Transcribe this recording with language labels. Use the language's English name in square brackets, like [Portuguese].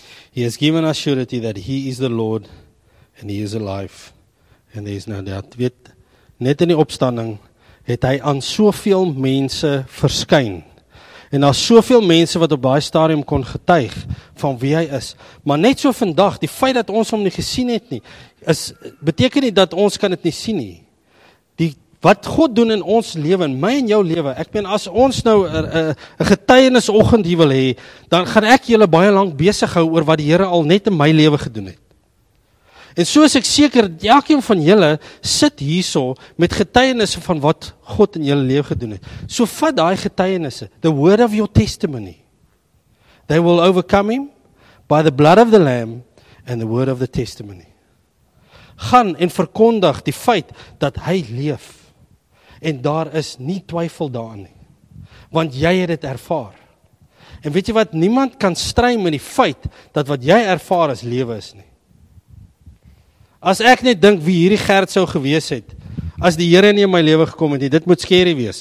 [English] He has given us surety that he is the Lord and he is alive and there is no doubt. [Afrikaans] Weet, net in die opstanding het hy aan soveel mense verskyn. En daar is soveel mense wat op baie stadium kon getuig van wie hy is. Maar net so vandag, die feit dat ons hom nie gesien het nie, beteken nie dat ons kan het nie sien nie. Wat God doen in ons lewe, in my en jou lewe, ek ben as ons nou een getuienisoggend hier wil hê, dan gaan ek julle baie lang besig hou oor wat die Here al net in my lewe gedoen het. En so is ek seker, elkeen van julle sit hierso met getuienisse van wat God in julle lewe gedoen het. So vat daai getuienisse, [English] the word of your testimony. They will overcome him by the blood of the lamb and the word of the testimony. [Afrikaans] Gaan en verkondig die feit dat hy leef. En daar is nie twyfel daarin nie. Want jy het dit ervaar. En weet jy wat, niemand kan stry met die feit dat wat jy ervaar as lewe is nie. As ek net dink wie hierdie Gert sou gewees het, as die Here nie in my lewe gekom het nie, dit moet skerry wees.